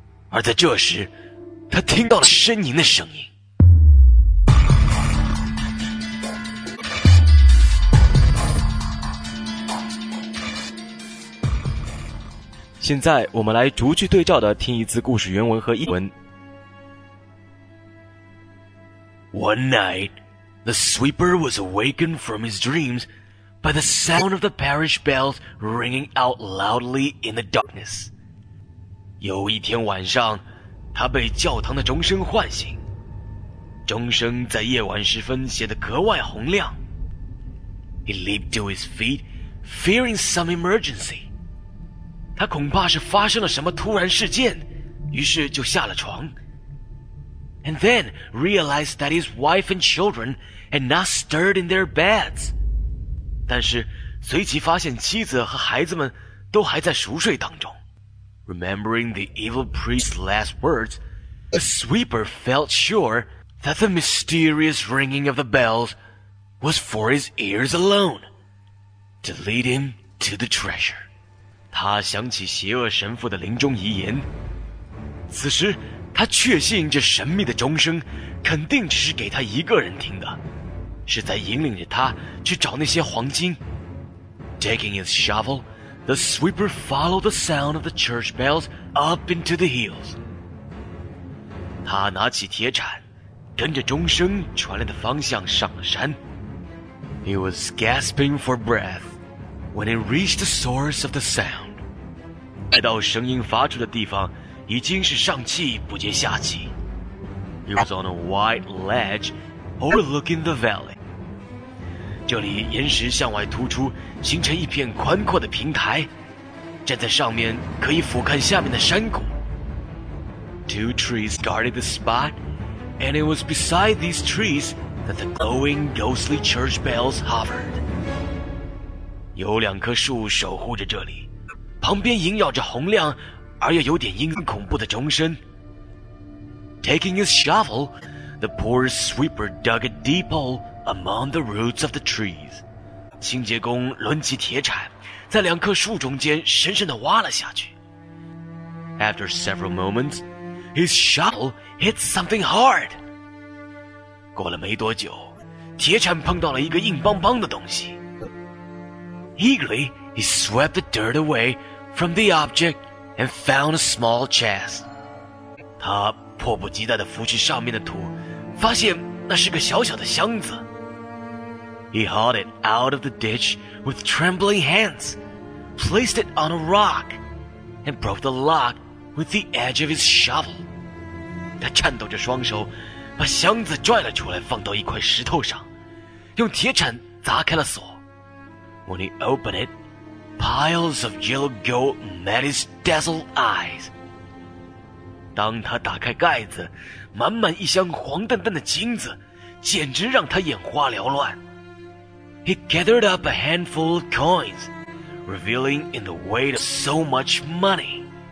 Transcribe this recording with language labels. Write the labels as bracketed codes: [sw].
[zh] 而在这时，他听到了呻吟的声音。现在我们来逐句对照的听一次故事原文和译文。 [en] One night, the sweeper was awakened from his dreams by the sound of the parish bells ringing out loudly in the darkness. [zh] 有一天晚上，他被教堂的钟声唤醒。钟声在夜晚时分显得格外洪亮。 [en] He leaped to his feet, fearing some emergency. [zh] 他恐怕是发生了什么突然事件，于是就下了床。 [en] And then realized that his wife and children had not stirred in their beds. [zh] 但是随即发现妻子和孩子们都还在熟睡当中。 [en] Remembering the evil priest's last words, the sweeper felt sure that the mysterious ringing of the bells was for his ears alone, to lead him to the treasure. [zh] 他想起邪恶神父的临终遗言。此时他确信这神秘的钟声肯定只是给他一个人听的，是在引领着他去找那些黄金。 [en] Taking his shovel, the sweeper followed the sound of the church bells up into the hills. [zh] 他拿起铁铲，跟着钟声传来的方向上了山。 [en] He was gasping for breath when he reached the source of the sound. [zh] 来到声音发出的地方，已经是上气不接下气。 [en] He was on a wide ledge overlooking the valley. [zh] 这里岩石向外突出，形成一片宽阔的平台，站在上面可以俯瞰下面的山谷。 [en] Two trees guarded the spot, and it was beside these trees that the glowing ghostly church bells hovered. [zh] 有两棵树守护着这里，旁边萦绕着洪亮而又有点阴森恐怖的钟声。 [en] Taking his shovel, the poor sweeper dug a deep hole among the roots of the trees. [zh] 清洁工抡起铁铲，在两棵树中间深深地挖了下去。 [en] After several moments, his shovel hit something hard. [zh] 过了没多久，铁铲碰到了一个硬邦邦的东西。 [en] Eagerly, he swept the dirt away from the objectand found a small chest. [zh] 他迫不及待地扶起上面的土，发现那是个小小的箱子。 [en] He hauled it out of the ditch with trembling hands, placed it on a rock, and broke the lock with the edge of his shovel. [zh] 他颤抖着双手，把箱子拽了出来，放到一块石头上，用铁铲砸开了锁。 [en] When he opened it,Piles of yellow gold met his dazzled eyes. [zh] 当他打开盖子，满满一箱黄澄澄的金子，简直让他眼花缭乱。 [en] He gathered up a handful of coins, revealing in the weight of so much money.